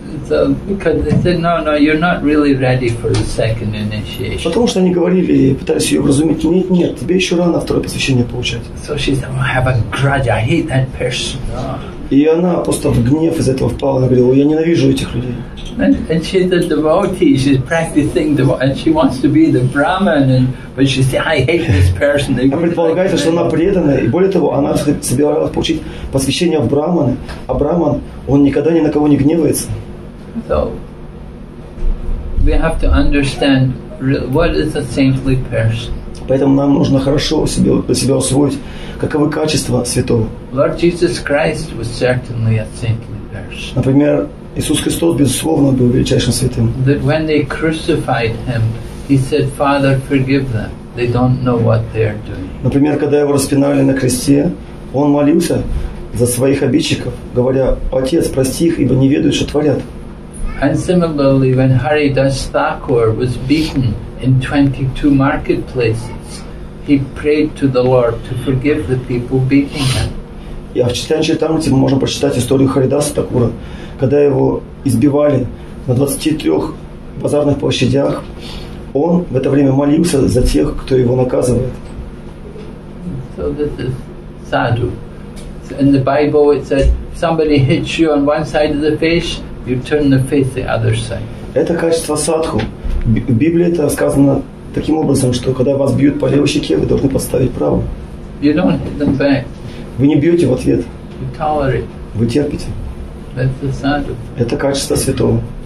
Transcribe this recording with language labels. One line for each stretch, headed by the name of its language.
English: So, because they said, no, you're not really ready for the second initiation.
Russian: Потому что они говорили, пытались ее вразумить, нет, тебе еще рано второе посвящение получать.
English: So she said, I have a grudge, I hate that person.
Russian: И она просто в гнев из этого впала. Она говорила, я ненавижу этих людей.
English: And she's a devotee. She's practicing devotee. And she wants to be the Brahman. But she said, I hate this person.
Russian: Она предполагает, что она преданная. И более того, она собиралась получить посвящение в Брахманы. А Брахман, он никогда ни на кого не гневается.
English: So, we have to understand what is a saintly person.
Russian: Поэтому нам нужно хорошо для себя усвоить, каковы качества святого.
English: Lord Jesus Christ was certainly a saintly person.
Russian: Например, Иисус Христос, безусловно, был величайшим святым.
English: That when they crucified him, he said, Father, forgive them. They don't know what they are doing.
Russian: Например, когда его распинали на кресте, он молился за своих обидчиков, говоря, Отец, прости их, ибо не ведают, что творят.
English: And similarly, when Haridas Thakur was beaten in 22 marketplaces, he prayed to the Lord to forgive the people beating him.
Russian: Я в Читании Чайтамрити мы можем прочитать историю Харидаса Такура, когда его избивали на 23 базарных площадях. Он в это время молился за тех, кто его наказывает.
English: So this is sadhu. In the Bible it said, somebody hits you on one side of the face, you turn the face the other side.
Russian: Это качество садху. В Библии это сказано таким образом, что когда вас бьют по левой щеке, вы должны подставить правую.
English: You don't hit them back.
Russian: Вы не бьете в ответ.
English: You tolerate.
Russian: Вы терпите.
English: That's the sadhu.
Russian: Это качество святого.